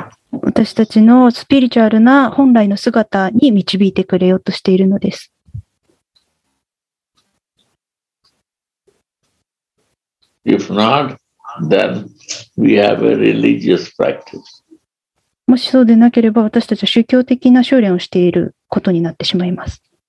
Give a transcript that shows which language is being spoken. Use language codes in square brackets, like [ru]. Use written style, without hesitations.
[ja] 私たちのスピリチュアルな本来の姿に導いてくれようとしているのです。 [en] If not, then we have a religious practice. [ja] もしそうでなければ私たちは宗教的な修練をしていることになってしまいます。